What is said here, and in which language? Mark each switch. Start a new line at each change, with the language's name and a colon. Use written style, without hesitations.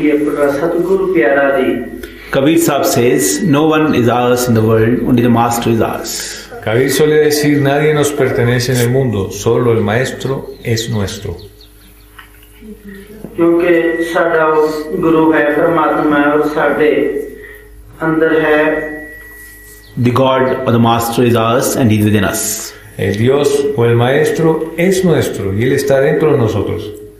English: Kabir Sahib says, no one is ours in the world, only the master is ours.
Spanish: Kabir suele decir, nadie nos pertenece en el mundo, solo el maestro es nuestro. Porque nuestro guru es Paramatma y nuestro interior es
English: The God or the Master is ours and He is within us.
Spanish: El Dios o el Maestro es nuestro y Él está dentro de nosotros.